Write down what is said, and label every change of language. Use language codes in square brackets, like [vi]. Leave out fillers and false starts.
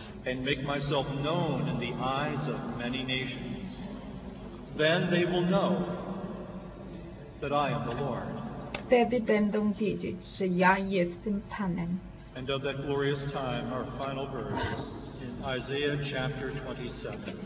[en] And make myself known in the eyes of many nations. Then they will know that I am the Lord. [pl] Wtedy będą wiedzieć, że ja jestem Panem. [en] And of that glorious time, our final verse in Isaiah chapter 27.